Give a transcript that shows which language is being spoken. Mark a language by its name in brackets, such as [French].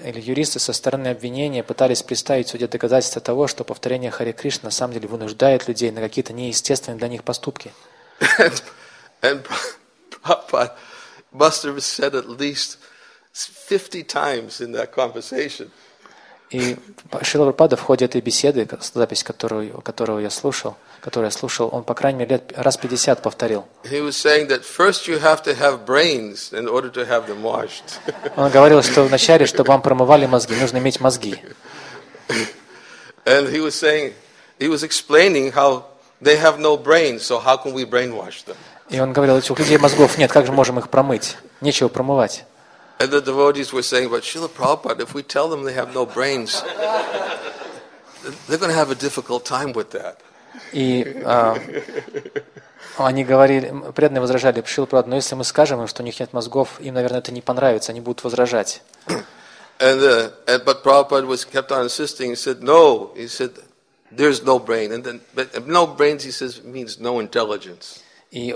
[Russian] или юристы со стороны обвинения пытались представить в суде доказательства того, что повторение Хари Кришна на самом деле вынуждает людей на какие-то неестественные для них поступки. [English] Prabhupada must have said at least 50 times in that conversation. [Russian] И Шрила Прабхупада в ходе этой беседы, запись которую я слушал, он по крайней мере лет раз 50 повторил. [English] He was saying that first you have to have brains in order to have them washed. [Russian] Он говорил, что вначале, чтобы вам промывали мозги, нужно иметь мозги. [English] And he was saying, he was explaining how they have no brains, so how can we brainwash them? [Russian] И он говорил, у людей мозгов нет, как же можем их промыть? Нечего промывать. [English] And the devotees were saying, but Srila Prabhupada, if we tell them they have no brains, they're going to have a difficult time with that. [Russian] И Они говорили, преданные возражали, Шрила Прабхупада, но если мы скажем им, что у них нет мозгов, им, наверное, это не понравится, они будут возражать. И